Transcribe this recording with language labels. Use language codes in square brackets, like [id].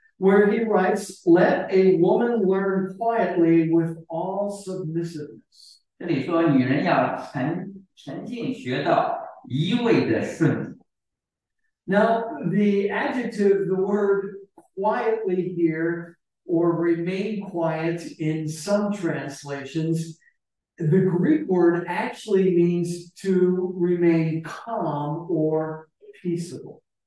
[en] where he writes, let a woman learn quietly with all submissiveness. [zh] 这里说女人要沉静学道，一味的顺服。 [en] Now, the adjective, the word quietly here, or remain quiet in some translations, the Greek word actually means to remain calm or peaceable.